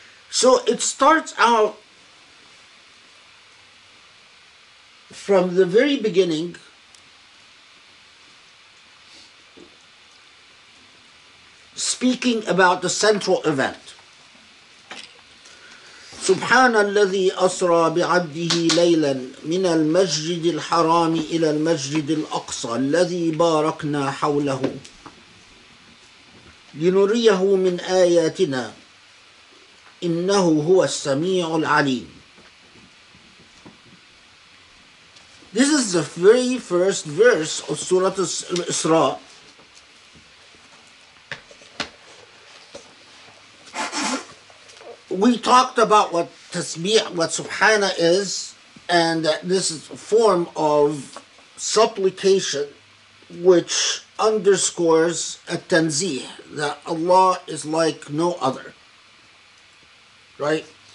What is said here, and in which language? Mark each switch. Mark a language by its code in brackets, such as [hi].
[en] So it starts out from the very beginning speaking about the central event. [ar] سبحان الذي أسرى بعبده ليلا من المسجد الحرام إلى المسجد الأقصى الذي باركنا حوله لنريه من آياتنا إنه هو السميع العليم. [en] This is the very first verse of Surah Isra. We talked about what tasbih, what subhana is, and that this is a form of supplication which underscores a tanzih, that Allah is like no other. Right?